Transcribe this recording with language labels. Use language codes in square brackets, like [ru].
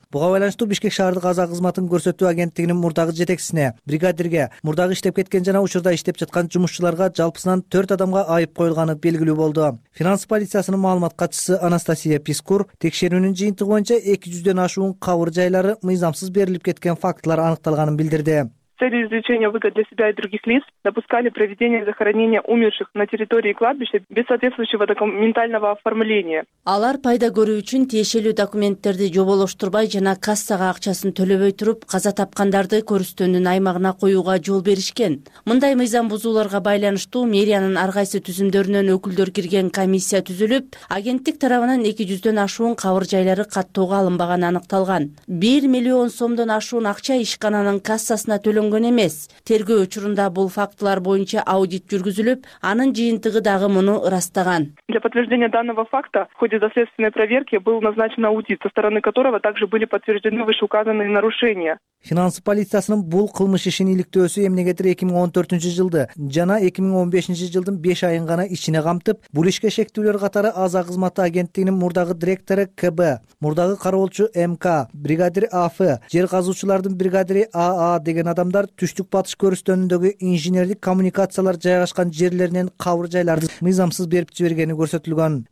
[ky] Буга байланыштуу Бишкек шаардык АЗА кызматын көрсөтүү агенттигинин мурдагы жетекчисине, бригадирге, мурдагы иштеп кеткен жана учурда иштеп жаткан жумушчуларга жалпысынан 4 адамга айып коюлганы белгилүү болду. Финанс полициясынын маалымат катчысы Анастасия Пискур текшерүүнүн жыйынтыгы боюнча 200 ашуун кабыр жай лары мыйзамсыз берилип кеткен фактылар аныкталганын билдирди. [ru] Цели извлечения выгод для себя и других лиц допускали проведение захоронения умерших на территории кладбища без соответствующего документального оформления. [ky] Алар пайда көрүү үчүн тиешелүү документтерди жоболоштурбай жана кассага акчасын төлөбөй туруп каза тапкандарды көрүстөндүн аймагына коюуга жол беришкен. Мындай мыйзам бузууларга байланыштуу мэриянын ар кайсы түзүмдөрүнөн өкүлдөр кирген комиссия түзүлүп, агенттик тарабынан 200 ашуун кабыр жайлары каттоого алынбаганы аныкталган. 1 000 000 сомдон ашуун акча ишкананын кассасына төлөнгөн эмес. Тергөө учурунда бул фактылар боюнча аудит жүргүзүлүп, анын жыйынтыгы дагы муну ырастаган. [ru] Для подтверждения данного факта в ходе доследственной проверки был назначен аудит, со стороны которого также были подтверждены вышеуказанные нарушения. [ky] Финанс полициясынын бул кылмыш ишин иликтөөсү эмнегедир 2014 жылды жана 2015 жылдын 5 айын гана ичине камтып, бул ишке шектүүлөр катары АЗА кызматы агенттигинин мурдагы директору КБ, мурдагы кароолчу МК, бригадир АФ, жер казуучулардын бригадири АА деген адамдар Түштүк Батыш көрүстөндөгү инженердик коммуникациялар жайгашкан жерлеринен кабыр жайларды мыйзамсыз берип жибергени көрсөтүлгөн.